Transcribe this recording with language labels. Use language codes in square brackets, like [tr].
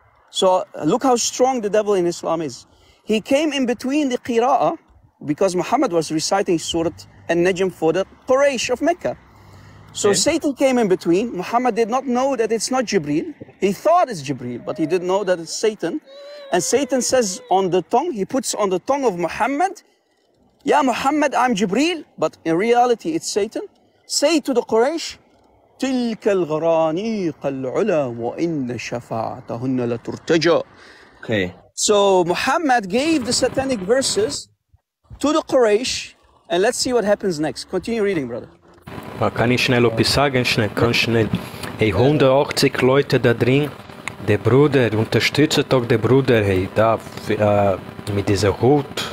[en] So look how strong the devil in Islam is. He came in between the qira'ah because Muhammad was reciting Surah An-Najm for the Quraysh of Mecca. So Satan came in between. Muhammad did not know that it's not Jibreel. He thought it's Jibreel, but he didn't know that it's Satan. And Satan says on the tongue, he puts on the tongue of Muhammad, Ya Muhammad, I'm Jibreel. But in reality, it's Satan. Say to the Quraysh, [ar] تلك الغرانيق العلا وإن شفاعتهن لترتجى. [en] Okay. So Muhammad gave the satanic verses to the Quraysh. And let's see what happens next. Continue reading, brother. [de] Kann ich schnell etwas sagen? Schnell. 180 Leute da drin. Der Bruder unterstützt doch den Bruder. Hey, da mit dieser Hut.